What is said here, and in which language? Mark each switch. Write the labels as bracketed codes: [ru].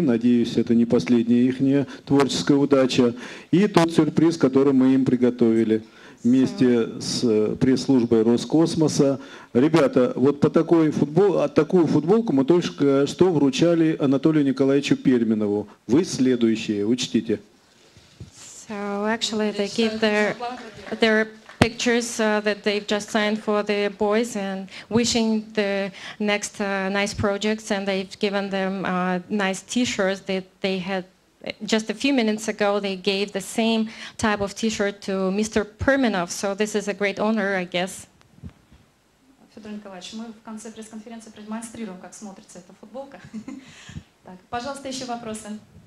[ru] Надеюсь, это не последняя их творческая удача. И тот сюрприз, который мы им приготовили вместе с пресс-службой Роскосмоса. Ребята, вот такую футболку мы только что вручали Анатолию Николаевичу Перминову. Вы следующие, учтите. [en] So actually they give their pictures that they've just signed for the boys and wishing the next nice projects, and they've given them nice t-shirts that they had. Just a few minutes ago, they gave the same type of t-shirt to Mr. Perminov, so this is a great honor, I guess. [ru] Федор Николаевич, мы в конце пресс-конференции продемонстрируем, как смотрится эта футболка. Так, пожалуйста, еще вопросы.